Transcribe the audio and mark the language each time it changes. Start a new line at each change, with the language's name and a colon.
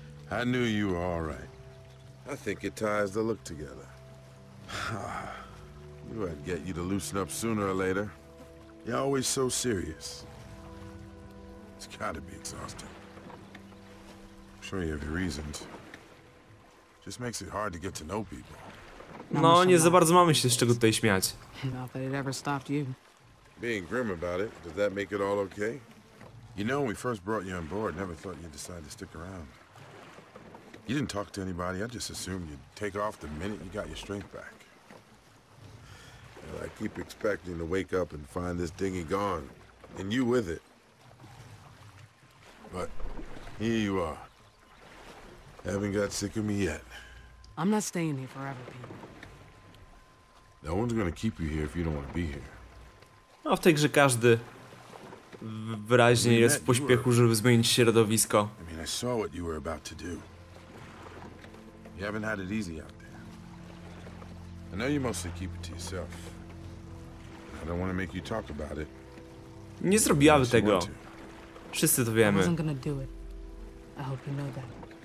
English: I knew you were all right. I think it ties the look together. Knew I'd get you to loosen up sooner or later. You're always so serious. It's gotta be exhausting. I'm sure you have your reasons. Just makes it hard to get to know people.
Polish: No, nie za bardzo mamy się z czego tutaj śmiać.
English: Not that it ever stopped you. Being grim about it, does that make it all okay? You know, when we first brought you on board, never thought you'd decide to stick around. You didn't talk to anybody. I just assumed you'd take off the minute you got your strength back. And I keep expecting to wake up and find this dinghy gone, and you with it. But here you are. Haven't got sick of me yet. I'm not staying here forever, Pete. No one's gonna keep you here if you don't want to be here.
Polish: No, w tejże każdy wyraźnie jest w pośpiechu, żeby zmienić środowisko.
English: I mean, I saw what you were about to do. You haven't had it easy out there. I know you mostly keep it to yourself. I don't want to make you talk about it.
Polish: Nie zrobiłaby tego. Wszyscy to wiemy.
English: I wasn't gonna do it. I hope you know that.